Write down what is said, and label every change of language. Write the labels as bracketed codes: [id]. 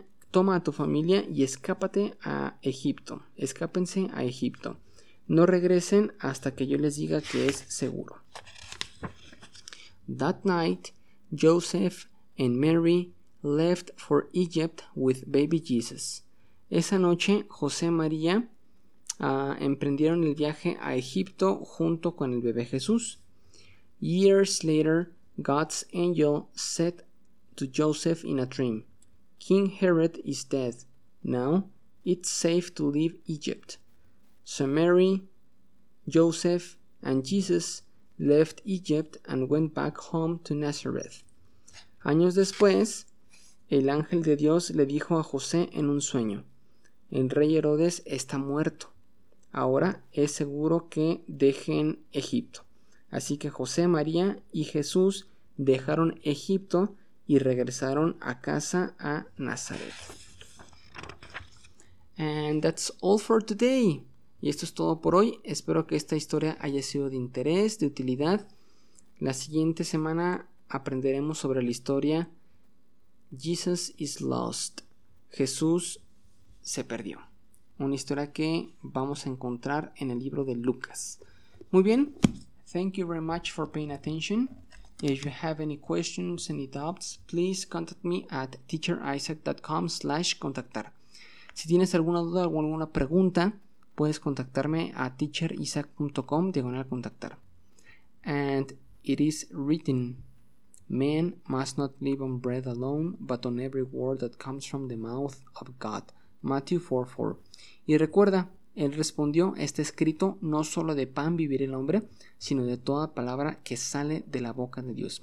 [es] Toma a tu familia y escápate a Egipto. Escápense a Egipto. No regresen hasta que yo les diga que es seguro. [en] That night, Joseph and Mary left for Egypt with baby Jesus. [es] Esa noche, José y María emprendieron el viaje a Egipto junto con el bebé Jesús. [en] Years later, God's angel said to Joseph in a dream, "King Herod is dead. Now it's safe to leave Egypt." So Mary, Joseph, and Jesus left Egypt and went back home to Nazareth. [es] Años después, el ángel de Dios le dijo a José en un sueño, "El rey Herodes está muerto. Ahora es seguro que dejen Egipto." Así que José, María y Jesús dejaron Egipto y regresaron a casa a Nazaret. [en] And that's all for today. [es] Y esto es todo por hoy. Espero que esta historia haya sido de interés, de utilidad. La siguiente semana aprenderemos sobre la historia [en] Jesus is lost. [es] Jesús se perdió. Una historia que vamos a encontrar en el libro de Lucas. Muy bien. [en] Thank you very much for paying attention. If you have any questions, any doubts, please contact me at teacherisaac.com/contactar. [es] Si tienes alguna duda o alguna pregunta, puedes contactarme a teacherisaac.com/contactar. [en] And it is written, "Man must not live on bread alone, but on every word that comes from the mouth of God." Matthew 4:4. [es] Y recuerda, él respondió, "Está escrito, no solo de pan vivirá el hombre, sino de toda palabra que sale de la boca de Dios."